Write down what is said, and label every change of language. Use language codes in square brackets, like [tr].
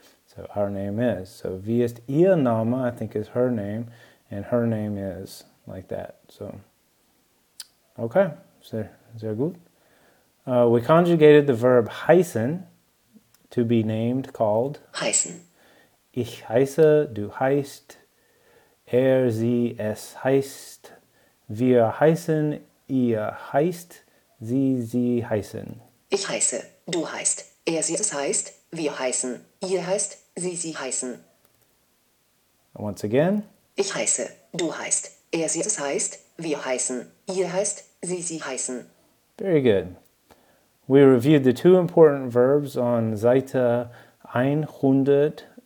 [en] So our name is. [de] So wie ist ihr Name? [en] I think is her name. And her name is, like that. So, okay. [de] Sehr gut. [en] We conjugated the verb heißen, to be named, called. [de] Heißen. Ich heiße, du heißt, sie, es heißt, wir heißen, ihr heißt, sie heißen. Ich heiße, du heißt, sie, es heißt, wir heißen, ihr heißt, sie heißen. [en] Once again. [de] Ich heiße, du heißt, sie, es heißt, wir heißen, ihr heißt, sie heißen. [en] Very good. We reviewed the two important verbs on Seite 134.